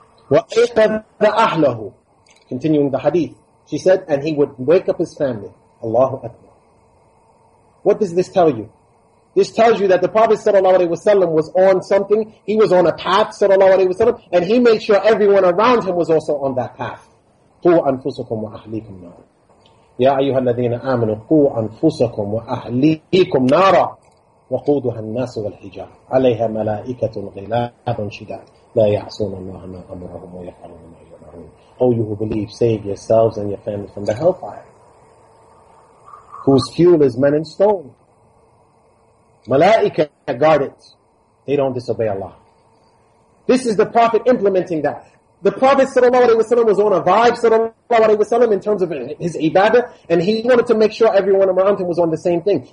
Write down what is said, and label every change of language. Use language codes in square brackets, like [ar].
[ar] وَأَيْقَذَ أَهْلَهُ [en] Continuing the hadith, she said, and he would wake up his family. Allahu Akbar. What does this tell you? This tells you that the Prophet sallallahu alayhi wa sallam was on something. He was on a path, sallallahu alayhi wa sallam, and he made sure everyone around him was also on that path. [ar] قُوْ أَنفُسَكُمْ وَأَهْلِيكُمْ نَارًا يَا أَيُّهَا الَّذِينَ آمَنُوا قُوْ أَنفُسَكُمْ وَأَهْلِيكُمْ نَارًا وقودها الناس والحجارة عليها ملائكة غلاظ شداد لا يعصون الله ما أمرهم ويفعلون ما يأمرون. [en] Oh, you who believe, save yourselves and your family from the hellfire, whose fuel is men in stone. ملائكة guard it. They don't disobey Allah. This is the Prophet implementing that. The Prophet sallallahu alaihi wasallam was on a vibe, sallallahu alaihi wasallam, in terms of his ibadah, and he wanted to make sure everyone around him was on the same thing.